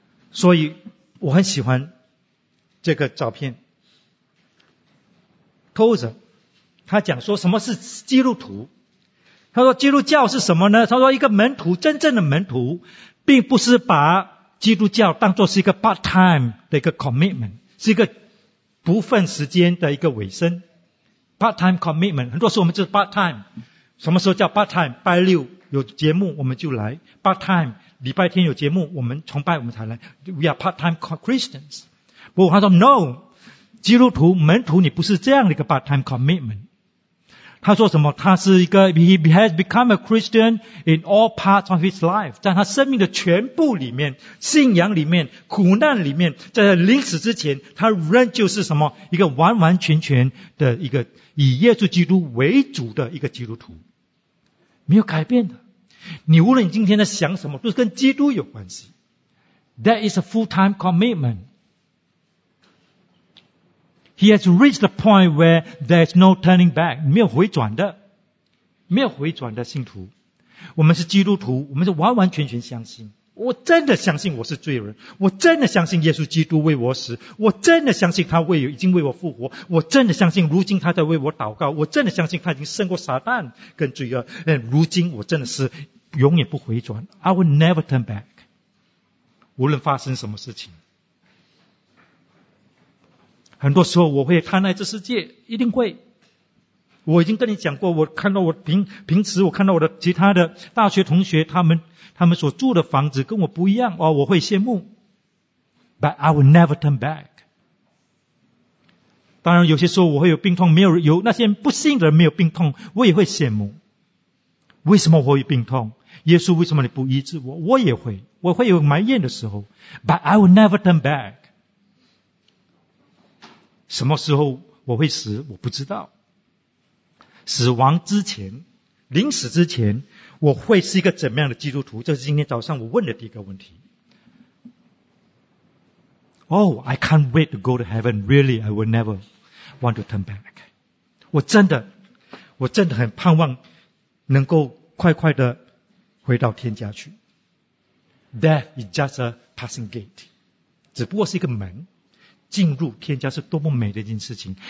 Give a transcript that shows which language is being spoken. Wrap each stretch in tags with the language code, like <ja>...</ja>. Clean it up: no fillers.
<zh>所以我很喜欢这个照片，偷着他讲说什么是基督徒。他说基督教是什么呢？他说一个门徒，真正的门徒并不是把基督教当作是一个 part time 的一个 commitment， 是一个部分时间的一个尾声。 part time commitment， 很多时候我们就是 part time， 什么时候叫 part time？拜六有节目我们就来 part time， 礼拜天有节目我们崇拜我们才来，</zh> <en>we are part time Christians。</en> <zh>不过他说 no， 基督徒门徒你不是这样的一个 part time commitment。他说什么？他是一个</zh> <en>he has become a Christian in all parts of his life，</en> <zh>在他生命的全部里面，信仰里面，苦难里面，在临死之前，他仍旧是什么？一个完完全全的一个以耶稣基督为主的一个基督徒，没有改变的。你无论你今天在想什么，都是跟基督有关系。</zh> <en>That is a full-time commitment。 He has reached the point where there's no turning back，</en> <zh>没有回转的，没有回转的信徒。我们是基督徒，我们是完完全全相信，我真的相信我是罪人，我真的相信耶稣基督为我死，我真的相信他为已经为我复活，我真的相信如今他在为我祷告，我真的相信他已经胜过撒旦跟罪恶，如今我真的是永远不回转，</zh> <en>I will never turn back，</en> <zh>无论发生什么事情。很多时候我会贪爱这世界，一定会。我已经跟你讲过，我看到我平时我看到我的其他的大学同学，他们所住的房子跟我不一样，哦，我会羡慕。</zh> <en>But I will never turn back。</en> <zh>当然，有些时候我会有病痛，没有有那些不幸的人没有病痛，我也会羡慕。为什么我有病痛？耶稣为什么你不医治我？我也会，我会有埋怨的时候 ，</zh> <en>But I will never turn back。</en> <zh>什么时候我会死，我不知道。死亡之前，临死之前，我会是一个怎么样的基督徒？这是今天早上我问的第一个问题。</zh> <en>Oh, I can't wait to go to heaven. Really, I will never want to turn back.</en> <zh>我真的很盼望能够快快的回到天家去。</zh> <en>Death is just a passing gate.</en> <zh>只不过是一个门，进入天家是多么美的一件事情。</zh>